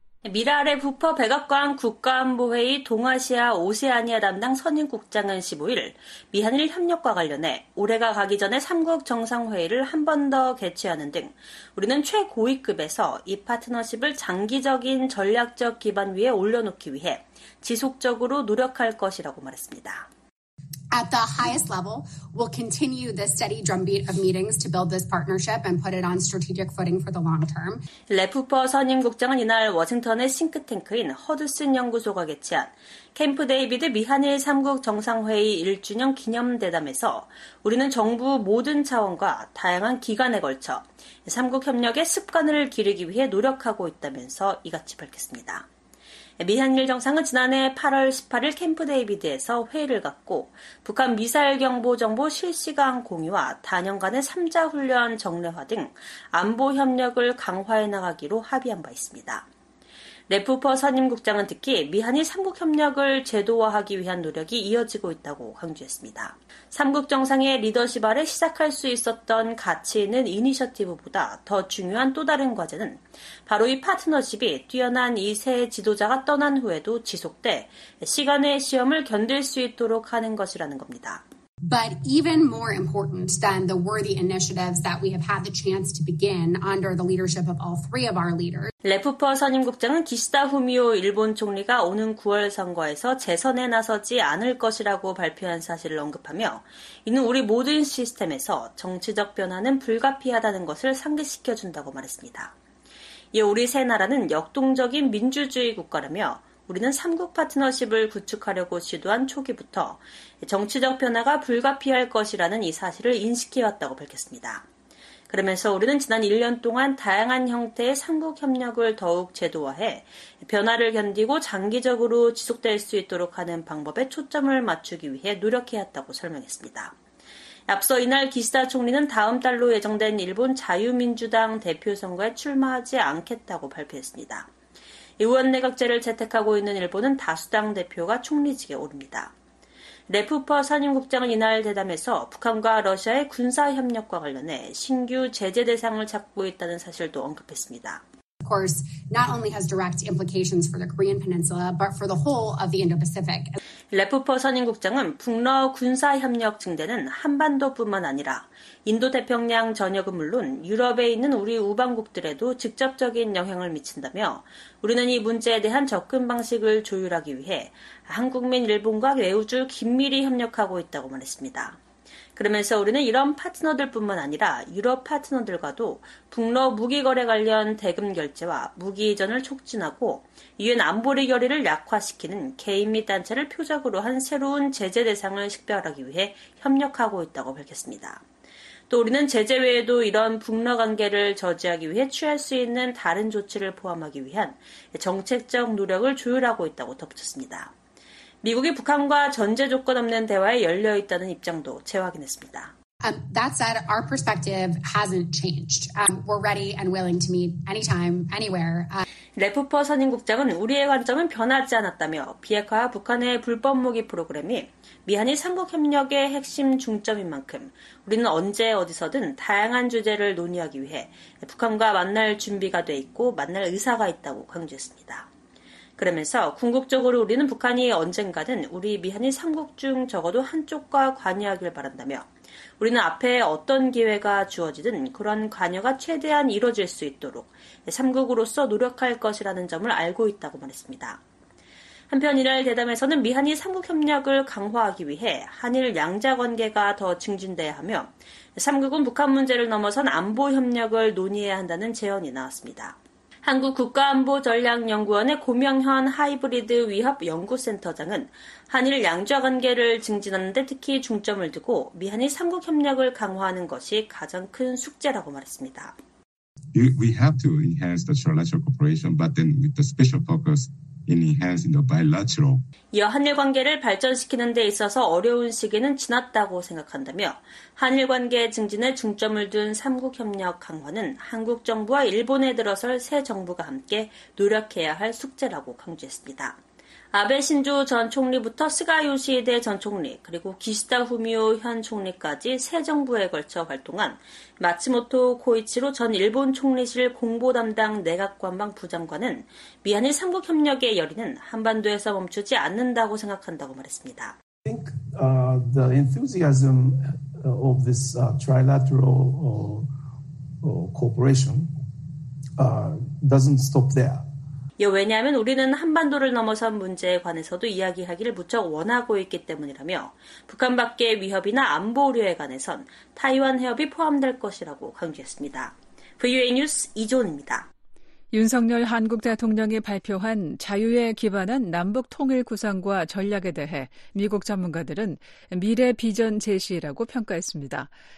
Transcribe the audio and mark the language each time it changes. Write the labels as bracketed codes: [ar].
[ko] 미랄의 부퍼 백악관 국가안보회의 동아시아 오세아니아 담당 선임 국장은 15일 미한일 협력과 관련해 올해가 가기 전에 3국 정상회의를 한 번 더 개최하는 등 우리는 최고위급에서 이 파트너십을 장기적인 전략적 기반 위에 올려놓기 위해 지속적으로 노력할 것이라고 말했습니다. [en] At the highest level, we'll continue the steady drumbeat of meetings to build this partnership and put it on strategic footing for the long term. [ko] 레프퍼 선임 국장은 이날 워싱턴의 싱크탱크인 허드슨 연구소가 개최한 캠프 데이비드 미한일 3국 정상회의 1주년 기념 대담에서 우리는 정부 모든 차원과 다양한 기관에 걸쳐 3국 협력의 습관을 기르기 위해 노력하고 있다면서 이같이 밝혔습니다. 미한일 정상은 지난해 8월 18일 캠프 데이비드에서 회의를 갖고 북한 미사일 경보 정보 실시간 공유와 단연간의 3자 훈련 정례화 등 안보 협력을 강화해 나가기로 합의한 바 있습니다. 레프퍼 선임 국장은 특히 미한일 3국 협력을 제도화하기 위한 노력이 이어지고 있다고 강조했습니다. 3국 정상의 리더십 아래 시작할 수 있었던 가치 있는 이니셔티브보다 더 중요한 또 다른 과제는 바로 이 파트너십이 뛰어난 이 세 지도자가 떠난 후에도 지속돼 시간의 시험을 견딜 수 있도록 하는 것이라는 겁니다. [en] But even more important than the worthy initiatives that we have had the chance to begin under the leadership of all three of our leaders. [ko] 레프퍼 선임 국장은 기시다 후미오 일본 총리가 오는 9월 선거에서 재선에 나서지 않을 것이라고 발표한 사실을 언급하며 이는 우리 모든 시스템에서 정치적 변화는 불가피하다는 것을 상기시켜준다고 말했습니다. 이 우리 세 나라는 역동적인 민주주의 국가라며 우리는 3국 파트너십을 구축하려고 시도한 초기부터 정치적 변화가 불가피할 것이라는 이 사실을 인식해왔다고 밝혔습니다. 그러면서 우리는 지난 1년 동안 다양한 형태의 3국 협력을 더욱 제도화해 변화를 견디고 장기적으로 지속될 수 있도록 하는 방법에 초점을 맞추기 위해 노력해왔다고 설명했습니다. 앞서 이날 기시다 총리는 다음 달로 예정된 일본 자유민주당 대표선거에 출마하지 않겠다고 발표했습니다. 의원내각제를 채택하고 있는 일본은 다수당 대표가 총리직에 오릅니다. 레프퍼 선임국장은 이날 대담에서 북한과 러시아의 군사협력과 관련해 신규 제재 대상을 찾고 있다는 사실도 언급했습니다. [en] Of course, not only has direct implications for the Korean Peninsula, but for the whole of the Indo-Pacific. [ko] 레프퍼 선임국장은 북러 군사협력 증대는 한반도뿐만 아니라 인도태평양 전역은 물론 유럽에 있는 우리 우방국들에도 직접적인 영향을 미친다며 우리는 이 문제에 대한 접근 방식을 조율하기 위해 한국 및 일본과 매우 긴밀히 협력하고 있다고 말했습니다. 그러면서 우리는 이런 파트너들뿐만 아니라 유럽 파트너들과도 북러 무기 거래 관련 대금 결제와 무기 이전을 촉진하고 유엔 안보리 결의를 약화시키는 개인 및 단체를 표적으로 한 새로운 제재 대상을 식별하기 위해 협력하고 있다고 밝혔습니다. 또 우리는 제재 외에도 이런 북러 관계를 저지하기 위해 취할 수 있는 다른 조치를 포함하기 위한 정책적 노력을 조율하고 있다고 덧붙였습니다. 미국이 북한과 전제 조건 없는 대화에 열려 있다는 입장도 재확인했습니다. [en] That said, our perspective hasn't changed. We're ready and willing to meet anytime, anywhere. [ko] 레프퍼 선임 국장은 우리의 관점은 변하지 않았다며 비핵화와 북한의 불법 무기 프로그램이 미한일 3국 협력의 핵심 중점인 만큼 우리는 언제 어디서든 다양한 주제를 논의하기 위해 북한과 만날 준비가 돼 있고 만날 의사가 있다고 강조했습니다. 그러면서 궁극적으로 우리는 북한이 언젠가는 우리 미한일 3국 중 적어도 한쪽과 관여하길 바란다며 우리는 앞에 어떤 기회가 주어지든 그런 관여가 최대한 이뤄질 수 있도록 3국으로서 노력할 것이라는 점을 알고 있다고 말했습니다. 한편 이날 대담에서는 미한일 3국 협력을 강화하기 위해 한일 양자 관계가 더 증진돼야 하며 3국은 북한 문제를 넘어선 안보 협력을 논의해야 한다는 제언이 나왔습니다. 한국 국가안보전략연구원의 고명현 하이브리드 위협연구센터장은 한일 양자 관계를 증진하는 데 특히 중점을 두고 미한일 3국 협력을 강화하는 것이 가장 큰 숙제라고 말했습니다. [en] We have to enhance the trilateral cooperation, but then with the special focus in enhancing the bilateral. [ko] 이어 한일 관계를 발전시키는 데 있어서 어려운 시기는 지났다고 생각한다며 한일 관계 증진에 중점을 둔 3국 협력 강화는 한국 정부와 일본에 들어설 새 정부가 함께 노력해야 할 숙제라고 강조했습니다. 아베 신조 전 총리부터 스가 요시히데 전 총리, 그리고 기시다 후미오 현 총리까지 새 정부에 걸쳐 활동한 마츠모토 코이치로 전 일본 총리실 공보 담당 내각 관방 부장관은 미한일 3국 협력의 열의는 한반도에서 멈추지 않는다고 생각한다고 말했습니다. [en] I think the enthusiasm of this trilateral cooperation doesn't stop there. [ko] 왜냐하면 우리는 한반도를 넘어선 문제에 관해서도 이야기하기를 무척 원하고 있기 때문이라며 북한 밖의 위협이나 안보 우려에 관해선 타이완 해협이 포함될 것이라고 강조했습니다. VOA 뉴스 이조은입니다. 윤석열 한국 대통령이 발표한 자유에 기반한 남북 통일 구상과 전략에 대해 미국 전문가들은 미래 비전 제시라고 평가했습니다.